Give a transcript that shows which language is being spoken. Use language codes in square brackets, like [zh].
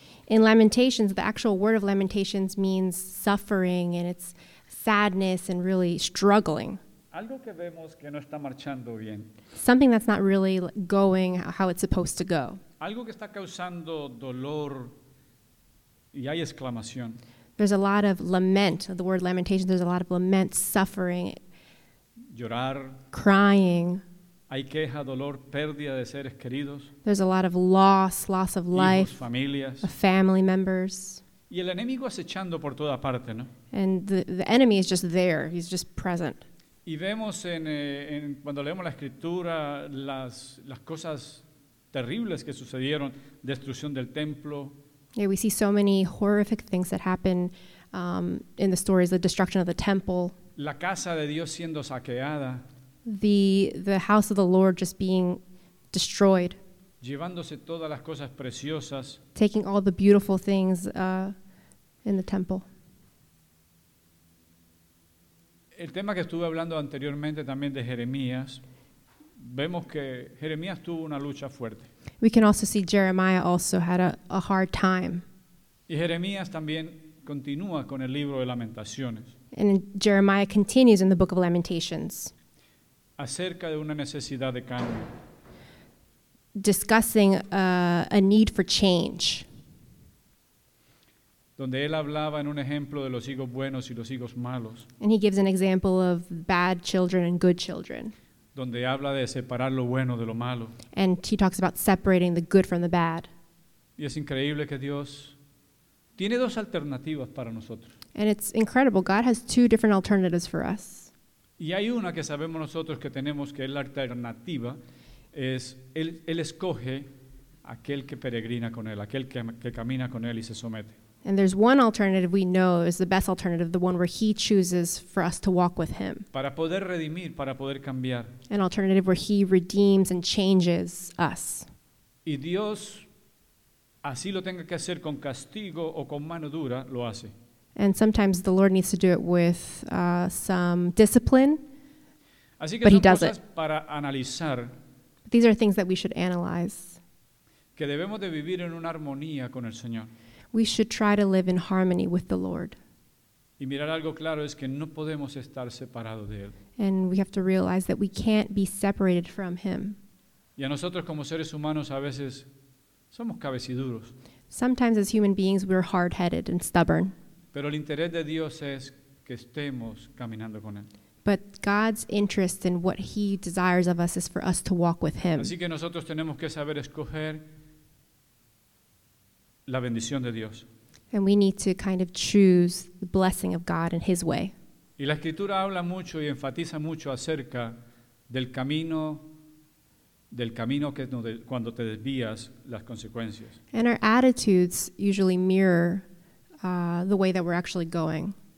[en] In Lamentations, the actual word of Lamentations means suffering, and it's sadness and really struggling. [es] Algo que vemos que no está marchando bien. [en] Something that's not really going how it's supposed to go. [es] Algo que está causando dolor y hay exclamación. [en] There's a lot of lament, the word lamentation, there's a lot of lament, suffering. [es] Llorar. [en] Crying. [es] Hay queja, dolor, pérdida de seres queridos. [en] There's a lot of loss of life. [es] Hijos, familias. [en] Of family members. [es] Y el enemigo acechando por toda parte, ¿no? [en] And the enemy is just there. He's just present. [es] Y vemos en cuando leemos la escritura las cosas terribles que sucedieron, destrucción del templo. [en] Yeah, we see so many horrific things that happen in the stories, the destruction of the temple. [es] La casa de Dios siendo saqueada. [en] The house of the Lord just being destroyed. [es] Llevándose todas las cosas preciosas. [en] Taking all the beautiful things in the temple. [es] El tema que estuve hablando anteriormente también de Jeremías, vemos que Jeremías tuvo una lucha fuerte. [en] We can also see Jeremiah also had a hard time. [es] Y Jeremías también continúa con el libro de Lamentaciones. [en] And Jeremiah continues in the book of Lamentations. [es] Acerca de una necesidad de cambio. [en] Discussing a need for change. [es] Donde él hablaba en un ejemplo de los hijos buenos y los hijos malos. [en] And he gives an example of bad children and good children. [es] Donde habla de separar lo bueno de lo malo. [en] And he talks about separating the good from the bad. [es] Y es increíble que Dios tiene dos alternativas para nosotros. [en] And it's incredible. God has two different alternatives for us. [es] Y hay una que sabemos nosotros que tenemos, que es la alternativa, es él escoge aquel que peregrina con él, aquel que camina con él y se somete. [en] And there's one alternative we know is the best alternative, the one where he chooses for us to walk with him. [es] Para poder redimir, para poder cambiar. [en] An alternative where he redeems and changes us. [es] Y Dios, así lo tenga que hacer con castigo o con mano dura, lo hace. [en] And sometimes the Lord needs to do it with some discipline, [es] así que [en] but [es] son [en] he does [es] cosas [en] it. [es] Para analizar. [en] These are things that we should analyze. [es] Que debemos de vivir en una armonía con el Señor. [en] We should try to live in harmony with the Lord. [es] Y mirar algo claro es que no podemos estar separado de él. [en] And we have to realize that we can't be separated from him. [es] Y a nosotros como seres humanos a veces somos cabeciduros. [en] Sometimes as human beings we're hard-headed and stubborn. [es] Pero el interés de Dios es que estemos caminando con él. [en] But God's interest in what he desires of us is for us to walk with him. [es] Así que nosotros tenemos que saber escoger la bendición de Dios. [en] And we need to kind of choose the blessing of God in his way. [es] Y la escritura habla mucho y enfatiza mucho acerca del camino que cuando te desvías las consecuencias. [en] And our attitudes usually mirror the way that we're actually going.